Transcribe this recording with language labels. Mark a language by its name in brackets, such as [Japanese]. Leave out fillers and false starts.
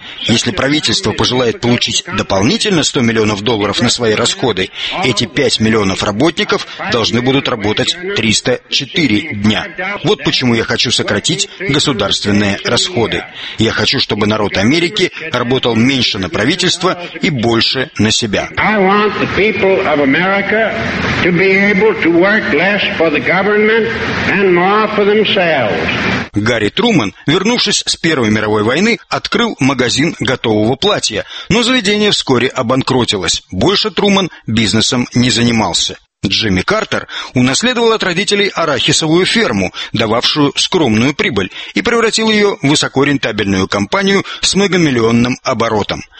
[Russian] Если правительство пожелает получить дополнительно $100 миллионов на свои расходы, эти 5 миллионов работников должны будут работать 304 дня. Вот почему я хочу сократить государственные расходы. Я хочу, чтобы народ Америки работал меньше на правительство и больше на себя. [English] I want the people of America to be able to work less for the government and more for themselves. [Russian] Гарри Трумэн, вернувшись с Первой мировой войны, открыл магазин готового платья, но заведение вскоре обанкротилось. Больше Трумэн бизнесом не занимался. Джимми Картер унаследовал от родителей арахисовую ферму, дававшую скромную прибыль, и превратил ее в высокорентабельную компанию с многомиллионным оборотом.